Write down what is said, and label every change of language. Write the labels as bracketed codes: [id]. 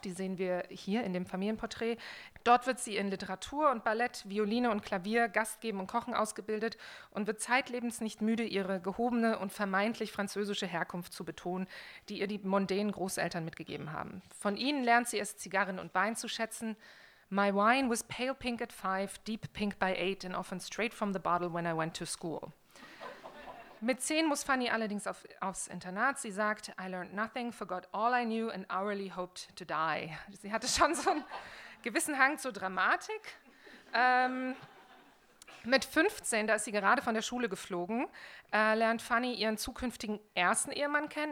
[de] Die sehen wir hier in dem Familienporträt. Dort wird sie in Literatur und Ballett, Violine und Klavier, Gastgeben und Kochen ausgebildet und wird zeitlebens nicht müde, ihre gehobene und vermeintlich französische Herkunft zu betonen, die ihr die mondänen Großeltern mitgegeben haben. Von ihnen lernt sie es, Zigarren und Wein zu schätzen. [en] My wine was pale pink at 5, deep pink by 8 and often straight from the bottle when I went to school. [de] Mit 10 muss Fanny allerdings aufs Internat. Sie sagt, [en] I learned nothing, forgot all I knew and hourly hoped to die. [de] Sie hatte schon so einen gewissen Hang zur Dramatik. Mit 15, da ist sie gerade von der Schule geflogen, lernt Fanny ihren zukünftigen ersten Ehemann kennen.